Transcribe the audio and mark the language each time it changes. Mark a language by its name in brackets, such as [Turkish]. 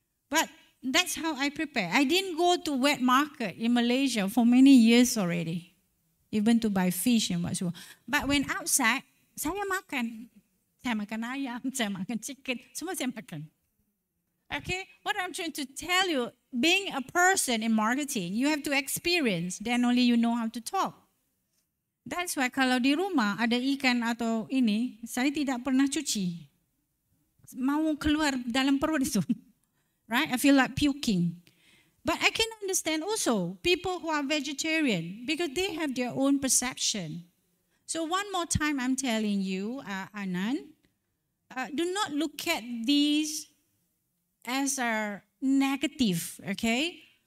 [English] But that's how I prepare. I didn't go to wet market in Malaysia for many years already, even to buy fish and whatsoever. But when outside, [Malay] saya makan. Saya makan ayam, saya makan chicken, semua saya makan. [English] Okay, what I'm trying to tell you, being a person in marketing, you have to experience, then only you know how to talk. That's why [Malay] kalau di rumah ada ikan atau ini, saya tidak pernah cuci. Mau keluar dalam perut itu. [English] Right? I feel like puking. But I can understand also people who are vegetarian because they have their own perception. So one more time I'm telling you, Anand, do not look at these as a negative, okay?